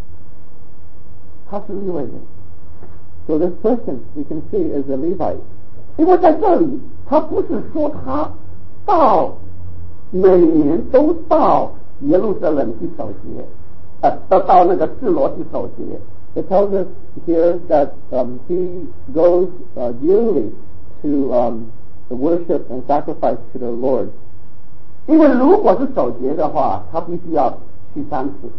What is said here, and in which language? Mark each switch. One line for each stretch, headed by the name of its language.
Chinese: 那么这一个人，你看出他是立位人。
English: So this person, we can see, is a Levite.
Chinese: 因为在这里，他不是说他到。每年都到耶路撒冷去守节，到那个示罗去守节。
English: It tells us here that he goes yearly to the worship and sacrifice to the Lord.
Chinese: 因为如果是守节的话，他必须要去三次。